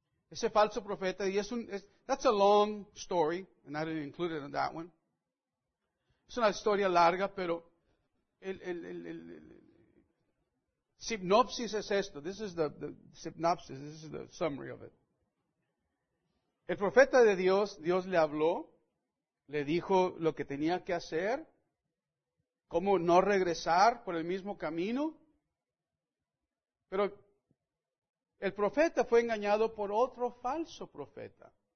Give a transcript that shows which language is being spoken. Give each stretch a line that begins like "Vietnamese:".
Spanish: Ese falso profeta, y
English: that's a long story, and I didn't include it in that one.
Spanish: Es una historia larga, pero el sinopsis es esto.
English: This is the synopsis, this is the summary of it.
Spanish: El profeta de Dios, Dios le habló, le dijo lo que tenía que hacer, cómo no regresar por el mismo camino. Pero el profeta fue engañado por otro falso profeta.